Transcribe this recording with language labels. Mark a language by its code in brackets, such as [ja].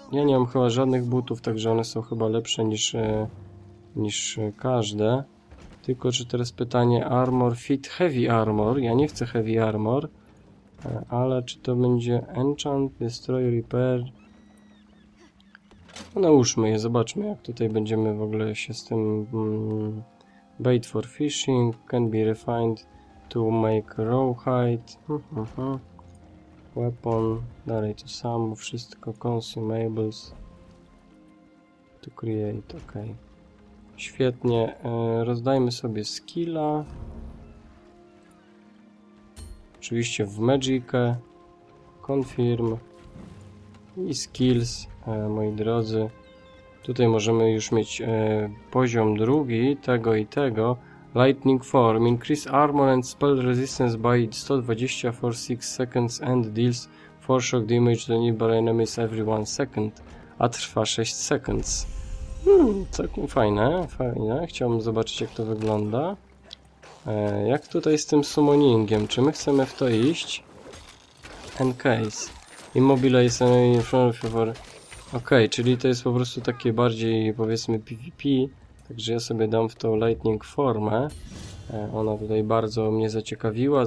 [pl] Ja nie mam chyba żadnych butów, także one są chyba lepsze niż każde. Tylko czy teraz pytanie, [en] armor fit heavy armor? [pl] Ja nie chcę heavy armor. Ale czy to będzie enchant, destroy, repair? No, nałóżmy je, zobaczmy, jak tutaj będziemy w ogóle się z tym... [en] bait for fishing, can be refined to make rawhide. [pl] Weapon, dalej to samo, wszystko, [en] consumables to create, [pl] ok. Świetnie, rozdajmy sobie skilla. Oczywiście w magicę, confirm i skills, moi drodzy. Tutaj możemy już mieć poziom drugi tego i tego. [en] Lightning form, increase armor and spell resistance by 120 for 6 seconds and deals 4 shock damage to nearby enemies every 1 second, [pl] a trwa [en] 6 seconds. [pl] Całkiem fajne, fajne. Chciałbym zobaczyć, jak to wygląda. Jak tutaj z tym summoningiem? Czy my chcemy w to iść? Encase. [en] Immobilize enemy in front of your... [pl] Ok, czyli to jest po prostu takie bardziej, powiedzmy, PvP. Także ja sobie dam w tą lightning formę. Ona tutaj bardzo mnie zaciekawiła.